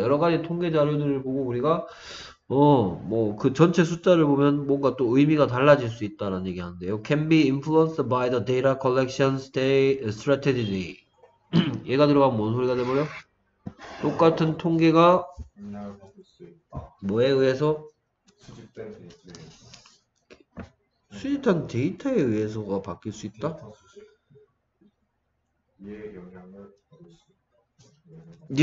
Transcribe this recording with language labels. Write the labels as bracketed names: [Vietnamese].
[Korean] 여러 가지 통계 자료들을 보고 우리가 그 전체 숫자를 보면 뭔가 또 의미가 달라질 수 있다라는 얘기하는데요. [English] Can be influenced by the data collection strategy. [Korean] 얘가 들어가면 뭔 소리가 돼버려? 똑같은 통계가 영향을 받을 수 있다. 뭐에 의해서? 수집된 데이터에 의해서. 수집한 데이터에 의해서가 바뀔 수 있다? 데이터 수집에 영향을 받을 수